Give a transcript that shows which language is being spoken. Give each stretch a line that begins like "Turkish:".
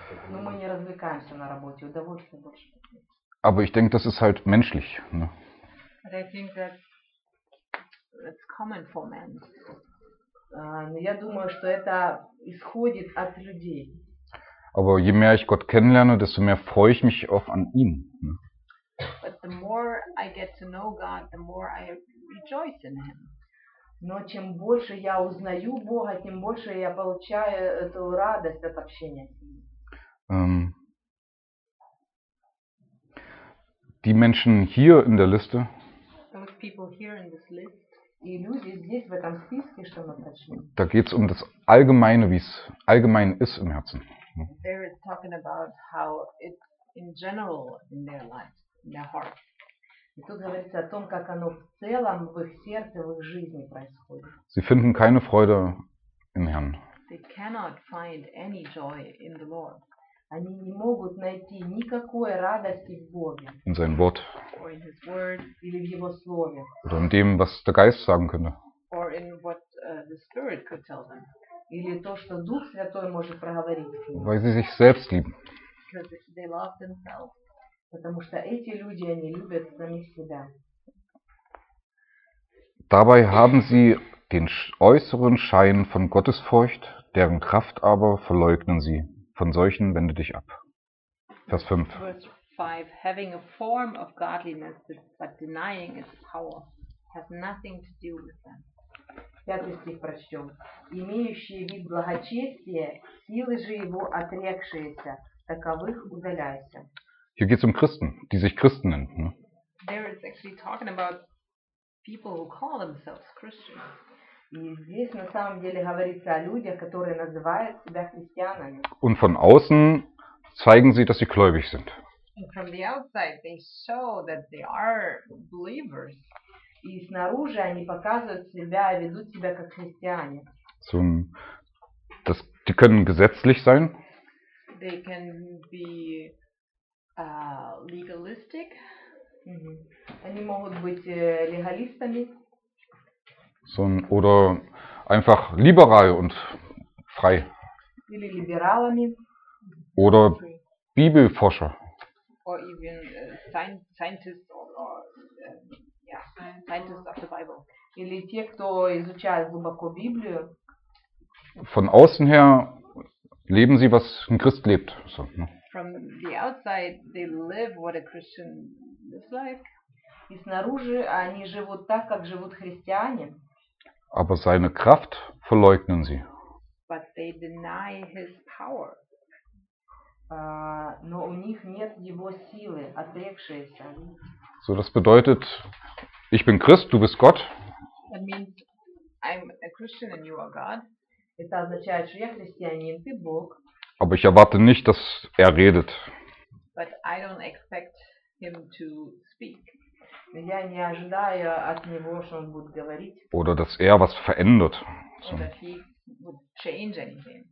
Russian: Но мы не развлекаемся на работе, удовольствие больше.
German: Aber ich denke, das ist halt menschlich. Ne?
English: But I think that's common for men.
Russian: Я думаю, что это исходит от людей.
German: Aber je mehr ich Gott kennenlerne, desto mehr freue ich mich auch an ihn. Ne?
English: But the more I get to know God, the more I rejoice in him.
Russian: Но чем больше я узнаю Бога, тем больше я получаю эту радость от общения с ним.
German: Die Menschen hier in der Liste.
English: Those people here in this list.
Russian: Die люди здесь в этом списке, что мы прочли.
German: Da geht's um das Allgemeine, wie es allgemein ist im Herzen.
English: They're talking about how it in general in their life, in their heart.
Russian: И тут говорится о том, как оно в целом в их сердце, в их жизни происходит.
German: Sie finden keine Freude im Herrn.
English: They cannot find any joy in the Lord.
Russian: Они не могут найти никакой радости в Боге.
German: In sein Wort.
English: Or in his word.
Russian: Или в его слове.
German: Oder in dem, was der Geist sagen könnte.
English: Or in what the Spirit could tell them.
Russian: Или то, что Дух Святой может проговорить.
German: Weil sie sich selbst lieben.
English: Because they love themselves.
Russian: Потому что эти люди, они любят самих себя.
German: Dabei haben sie den äußeren Schein von Gottesfurcht, deren Kraft aber verleugnen sie. Von solchen wende dich ab. Vers 5.
English: Having a form of godliness, but denying its power, has nothing to do with them.
Russian: Пятый стих прочтем. Имеющие вид благочестия, силы же его отрекшиеся, таковых удаляйся.
German: Hier geht es Christen, die sich Christen nennen.
English: There is actually talking about people who call themselves Christians.
Russian: И здесь на самом деле говорится о людях, которые называют себя христианами.
German: Und von außen zeigen sie, dass sie gläubig sind.
English: And from the outside they show that they are believers.
Russian: И снаружи они показывают себя, ведут себя как христиане.
German: So, das, die können gesetzlich sein.
English: They can be legalistic. Mm-hmm.
Russian: Они могут быть легалистами.
German: So, oder einfach liberal und frei.
Russian: Или либералами.
German: Oder Bibelforscher.
English: Or even scientists scientists of the Bible.
Russian: Или те, кто изучает глубоко Библию.
German: Von außen her leben sie, was ein Christ lebt. So, ne?
English: From the outside they live what a Christian looks like.
Russian: И снаружи они живут так, как живут христиане.
German: Aber seine Kraft verleugnen sie.
English: But they deny his power.
Russian: Но у них нет его силы, отрекшиеся.
German: So, das bedeutet, ich bin Christ, du bist Gott.
English: That means, I'm a Christian and you are God.
Russian: Это означает, что я христианин, ты Бог.
German: Aber ich erwarte nicht, dass redet.
English: But I don't expect him to speak.
Russian: Я не ожидаю от него, что он будет говорить.
German: Oder dass was verändert.
English: So. Or that he would change anything.